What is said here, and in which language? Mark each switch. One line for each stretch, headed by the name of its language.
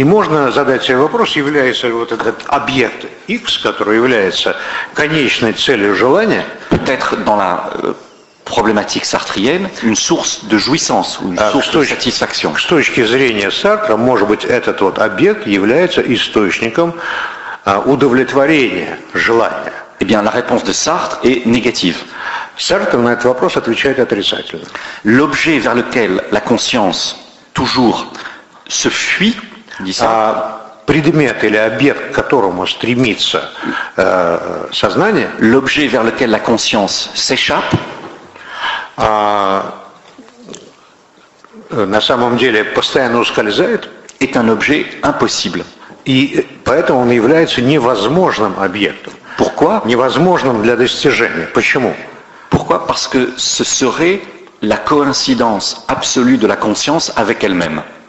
Russian: И можно задать себе вопрос, является ли вот этот объект X, который является конечной целью желания,
French: peut-être dans la problématique sartrienne, une source de jouissance, une source de satisfaction.
Russian: С точки зрения Сартра, может быть, этот вот объект является источником удовлетворения желания.
French: Eh bien, la réponse de Sartre est négative.
Russian: Сартр на этот вопрос отвечает отрицательно.
French: L'objet vers lequel la conscience toujours se fuit, dit ça.
Russian: Предмет или объект, к которому стремится сознание,
French: l'objet vers lequel la conscience s'échappe,
Russian: на самом деле постоянно ускользает,
French: est un objet impossible.
Russian: И поэтому он является невозможным объектом.
French: Pourquoi?
Russian: Невозможным для достижения. Почему?
French: Pourquoi? Parce que ce serait la coïncidence absolue de la conscience avec elle-même.